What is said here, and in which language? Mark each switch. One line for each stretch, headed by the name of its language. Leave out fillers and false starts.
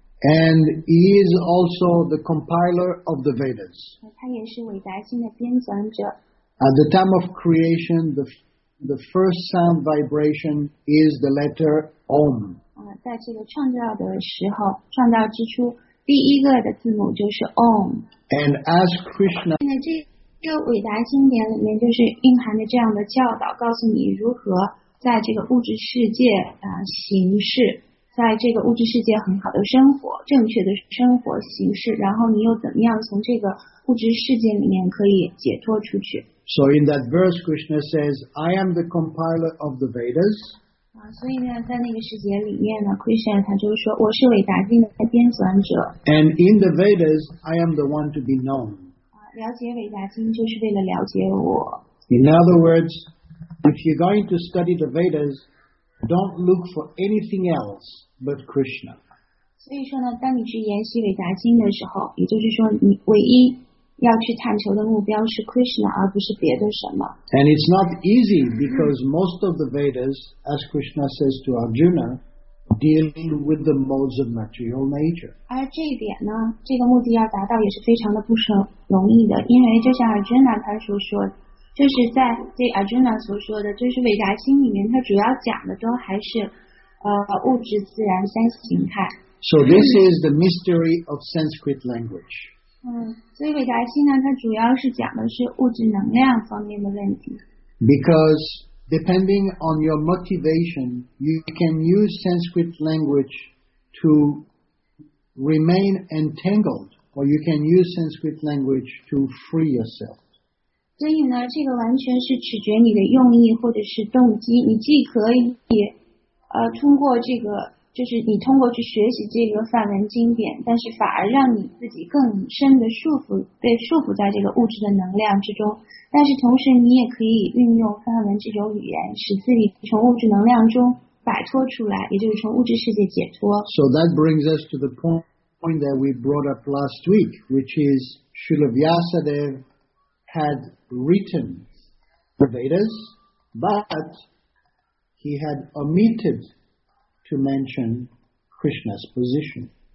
English: And he is also the compiler of the Vedas. At the time of creation, the first sound vibration is the letter Om.
Chinese: 在这个创造的时候，创造之初，第一个的字母就是 Om.
English: And as Krishna,
Chinese: 在这个伟达经典里面，就是蕴含着这样的教导，告诉你如何在这个物质世界行事。在这个物质世界很好的生活，正确的生活形式，然后你又怎么样从这个物质世界里面可以解脱出去。
English: So in that verse, Krishna says, I am the compiler of the Vedas.
Chinese: 所以呢，在那个世界里面呢， Krishna 他就说，我是伟达经的编纂者。
English: And in the Vedas, I am the one to be known.
Chinese: 了解伟达经就是为了了解我。
English: In other words, if you're going to study the Vedas,Don't look for anything else but Krishna.
Chinese: 所以说呢，当你去研习伟达经的时候，也就是说，你唯一要去探求的目标是 Krishna， 而不是别的什么。
English: And it's not easy because most of the Vedas, as Krishna says to Arjuna, dealing with the modes of material nature.
Chinese: 而这一点呢，这个目的要达到也是非常的不是容易的，因为就像 Arjuna 他所说的。就是在这 Arjuna 所说的，就是伟达经里面，它主要讲的都还是，物质、自然三形态。
English: So this is the mystery of Sanskrit language.
Chinese: 所以伟达经呢，它主要是讲的是物质能量方面的问题。
English: Because depending on your motivation, you can use Sanskrit language to remain entangled, or you can use Sanskrit language to free yourself.
Chinese: 所以呢，这个完全是取决你的用意或者是动机。你既可以，通过这个，就是你通过去学习这个梵文经典，但是反而让你自己更深的束缚，被束缚在这个物质的能量之中。但是同时，你也可以运用梵文这种语言，使自己从物质能量中摆脱出来，也就是从物质世界解脱。
English: So that brings us to the point point that we brought up last week, which is Srila Vyasadeva had written the Vedas, but he had omitted to mention Krishna's position.